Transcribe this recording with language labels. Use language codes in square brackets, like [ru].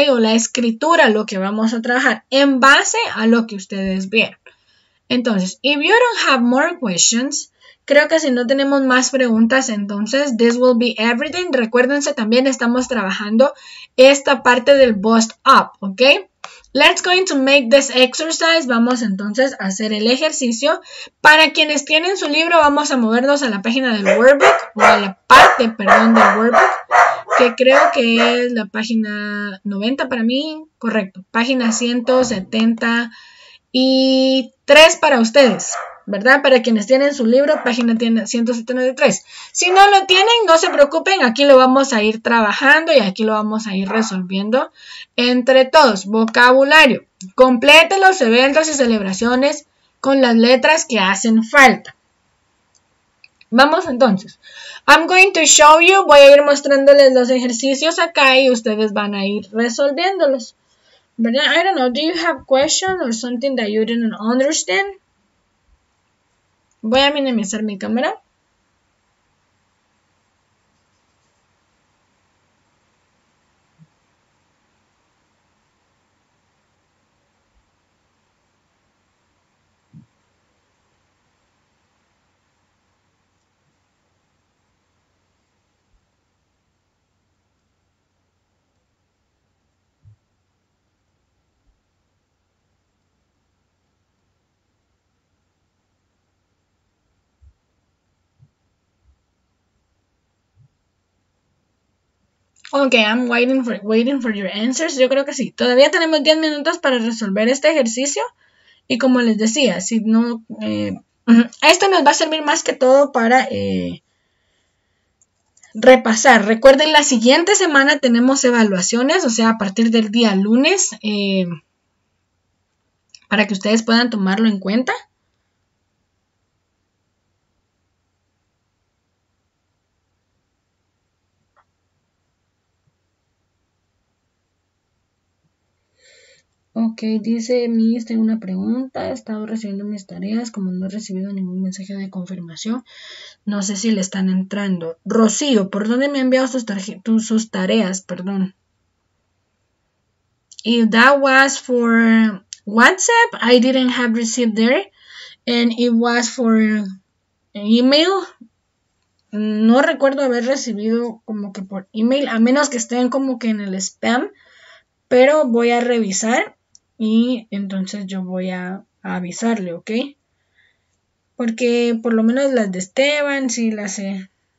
[es] O la escritura, lo que vamos a trabajar en base a lo que ustedes vieron. [en] Entonces, if you don't have more questions, [es] creo que si no tenemos más preguntas, entonces, [en] this will be everything. [es] Recuérdense, también estamos trabajando esta parte del bust up, ¿ok? [en] Let's going to make this exercise. [es] Vamos entonces a hacer el ejercicio. Para quienes tienen su libro, vamos a movernos a la página del workbook, o a la parte, perdón, del workbook, que creo que es la página 90 para mí. Correcto, página 173 para ustedes, ¿verdad? Para quienes tienen su libro, página 173. Si no lo tienen, no se preocupen, aquí lo vamos a ir trabajando y aquí lo vamos a ir resolviendo entre todos. Vocabulario. Complete los eventos y celebraciones con las letras que hacen falta. Vamos entonces. [en] I'm going to show you, [es] voy a ir mostrándoles los ejercicios acá y ustedes van a ir resolviéndolos. [en] But I don't know, do you have questions or something that you didn't understand? [es] Voy a minimizar mi cámara. [en] Okay, I'm waiting for your answers. [es] Yo creo que sí. Todavía tenemos 10 minutos para resolver este ejercicio. Y como les decía, si no, esto nos va a servir más que todo para repasar. Recuerden, la siguiente semana tenemos evaluaciones, o sea, a partir del día lunes, para que ustedes puedan tomarlo en cuenta. Ok, dice Miss, tengo una pregunta. He estado recibiendo mis tareas, como no he recibido ningún mensaje de confirmación. No sé si le están entrando. Rocío, ¿por dónde me ha enviado sus tareas? Perdón. [en] If that was for WhatsApp, I didn't have received there. And it was for email. [es] No recuerdo haber recibido como que por email, a menos que estén como que en el spam. Pero voy a revisar. Y entonces yo voy a avisarle, ¿ok? Porque por lo menos las de Esteban, sí las sé.